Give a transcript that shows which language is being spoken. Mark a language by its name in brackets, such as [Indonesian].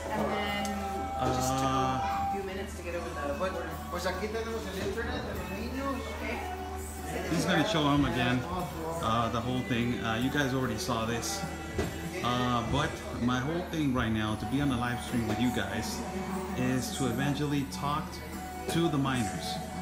[English] And then just took a few minutes to get over the border. [Spanish] Pues aquí tenemos el internet de los niños. [English] Okay. He's going to show them again, the whole thing. You guys already saw this. But my whole thing right now, to be on the live stream with you guys, is to eventually talk to the miners.